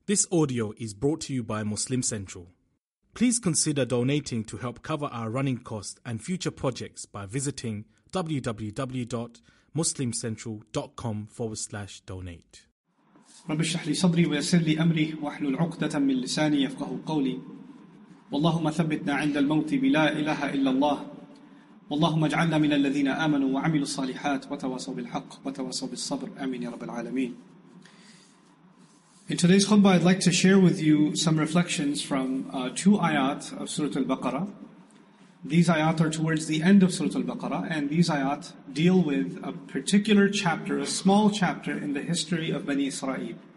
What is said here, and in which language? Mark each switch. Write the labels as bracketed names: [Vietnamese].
[English] This audio is brought to you by Muslim Central. Please consider donating to help cover our running costs and future projects by visiting www.muslimcentral.com/donate. [Arabic] رب اشرح لي صدري ويسر لي امري واحلل عقدة من لساني يفقهوا قولي. اللهم ثبتنا عند الموت بلا اله الا الله. اللهم اجعلنا من الذين امنوا وعملوا الصالحات وتواصوا بالحق وتواصوا بالصبر. امين يا رب العالمين. [English] In today's khutbah, I'd like to share with you some reflections from two ayat of Surah Al-Baqarah. These ayat are towards the end of Surah Al-Baqarah, and these ayat deal with a particular chapter, a small chapter in the history of Bani Israel.